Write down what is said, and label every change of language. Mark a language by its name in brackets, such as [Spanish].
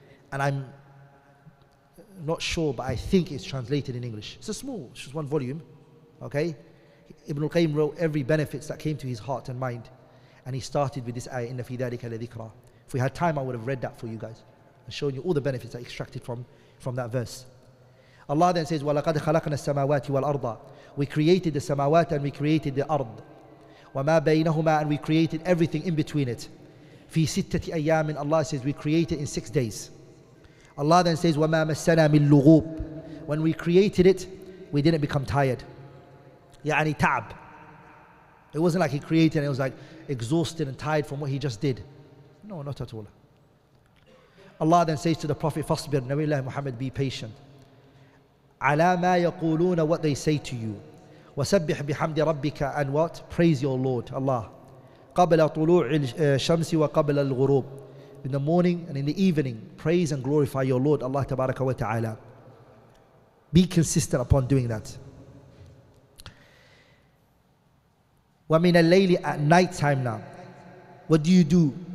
[English] And I'm not sure, but I think it's translated in English. It's a small, it's just one volume, okay? Ibn Al-Qayyim wrote every benefits that came to his heart and mind. And he started with this ayah, [Arabic] إِنَّ فِي ذَلِكَ لَذِكْرَى. [English] If we had time, I would have read that for you guys and shown you all the benefits that extracted from that verse. Allah then says, [Arabic] وَلَقَدْ خَلَقْنَا السَّمَاوَاتِ وَالْأَرْضَ. [English] We created the samawat and we created the ard. [Arabic] وَمَا بَيْنَهُمَا, [English] and we created everything in between it. [Arabic] فِي سِتَّةِ أَيَّامٍ, [English] Allah says, we created in 6 days. Allah then says, [Arabic] وَمَا مَسَّنَا مِنْ لُغُوبٍ. [English] When we created it, we didn't become tired. [Arabic] يعني تعب. [English] It wasn't like He created and it was like exhausted and tired from what He just did. No, not at all. Allah then says to the Prophet, [Arabic] فَاصْبِرْ, نَبِي اللَّهِ مُحَمَّدْ, [English] be patient. [Arabic] عَلَى مَا يَقُولُونَ, [English] what they say to you. [Arabic] وَسَبِّحْ بِحَمْدِ رَبِّكَ [English] and what? Praise your Lord, Allah. [Arabic] قَبْلَ طُلُوعِ الشَّمْسِ وَقَبْلَ الْغُرُوبِ [English] In the morning and in the evening, praise and glorify your Lord, Allah تبارك وتعالى. Be consistent upon doing that. [Arabic] وَمِنَ اللَّيْلِ [English] At night time now, what do you do?